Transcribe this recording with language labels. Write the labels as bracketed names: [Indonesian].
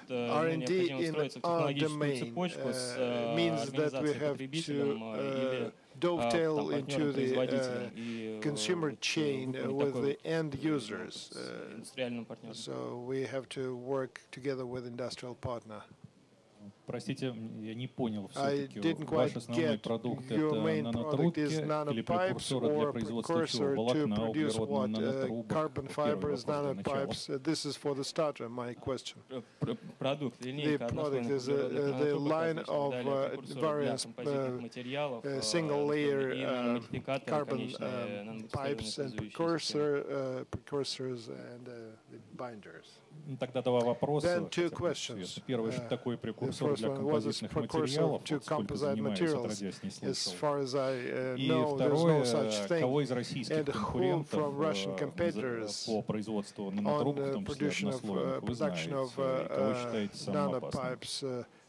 [English] R&D in our domain means that we have to dovetail into the consumer chain with the end users. So we have to work together with industrial partner. [Russian] Простите, я не понял все-таки. Ваш основной продукт – это нанотрубки или прекурсоры для производства чего? Волокна, углеродные нанотрубки. [English] This is for the starter, my question. [Russian] Продукт, [English] the line of various single-layer carbon pipes and precursors and binders. [Russian] Тогда два вопроса. Первое, что такое прекурсор для композитных материалов, сколько занимается, И второе, кого из российских конкурентов по производству нанотрубок, в том числе однослойных, вы знаете, кого считаете самым опасным?